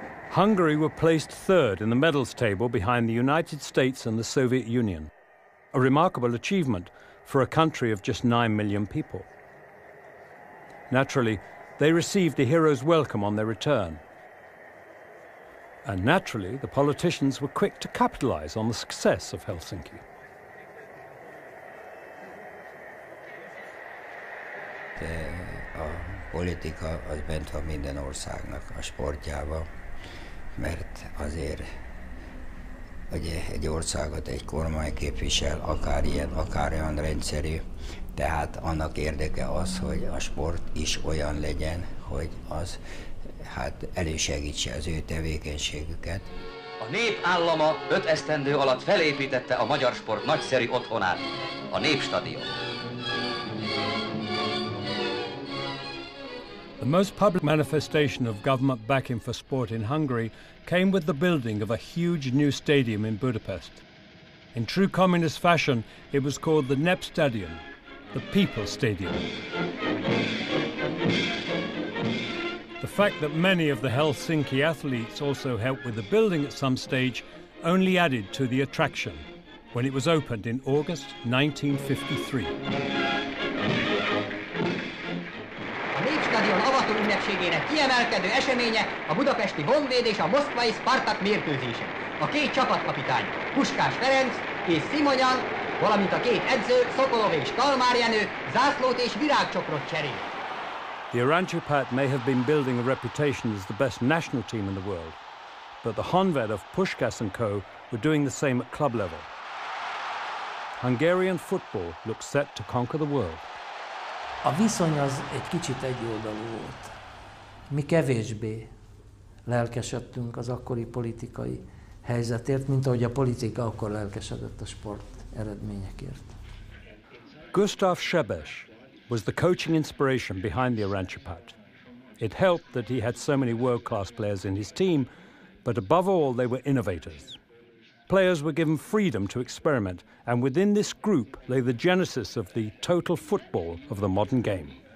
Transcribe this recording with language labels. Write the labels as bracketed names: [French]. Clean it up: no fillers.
[English] Hungary were placed third in the medals table behind the United States and the Soviet Union, a remarkable achievement for a country of just 9 million people. Naturally, they received a hero's welcome on their return. And naturally, the politicians were quick to capitalize on the success of Helsinki. [Hungarian] A politika az bent van minden országnak a sportjába. Mert azért hogy egy országot egy kormány képvisel, akár ilyen, akár olyan rendszerű. Tehát annak érdeke az, hogy a sport is olyan legyen, hogy az hát elősegítse az ő tevékenységüket. A nép állama 5 esztendő alatt felépítette a magyar sport nagyszerű otthonát, a Népstadion. [English] The most public manifestation of government backing for sport in Hungary came with the building of a huge new stadium in Budapest. In true communist fashion, it was called the Népstadion, the People's Stadium. The fact that many of the Helsinki athletes also helped with the building at some stage only added to the attraction when it was opened in August 1953. [Hungarian] A Népstadion avató ünnepségének kiemelkedő eseménye a budapesti Honvéd és a moszkvai Spartak mérkőzése. A két csapatkapitány, Puskás Ferenc és Szimonyan, valamint a két edző, Szokolov és Kalmár Jenő, zászlót és virágcsokrot cserél. [English] The Arancsapat may have been building a reputation as the best national team in the world, but the Honved of Puskás and co. were doing the same at club level. Hungarian football looks set to conquer the world. [Hungarian] A viszony az egy kicsit egyoldalú volt. Mi kevésbé lelkesedtünk az akkori politikai helyzetért, mint ahogy a politika akkor lelkesedett a sport eredményekért. [English] Gustav Sebes was the coaching inspiration behind the Arancsapat. It helped that he had so many world-class players in his team, but above all, they were innovators. Players were given freedom to experiment, and within this group lay the genesis of the total football of the modern game.